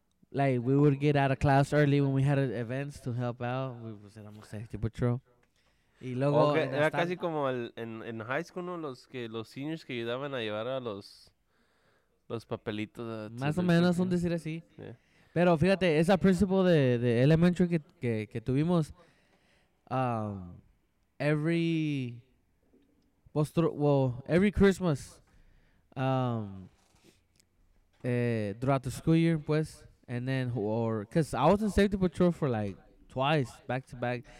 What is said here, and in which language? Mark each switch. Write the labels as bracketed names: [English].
[English] Like, we would get out of class early when we had events to help out. [Spanish] We pues éramos safety patrol. Y luego okay, era casi como en high school, ¿no? Los seniors que ayudaban a llevar a los papelitos. Más o menos, un decir así. Yeah. Pero fíjate, esa principal de elementary que tuvimos, [English] every Christmas, throughout the school year, pues, and then, because I was in safety patrol for like, twice, back to back.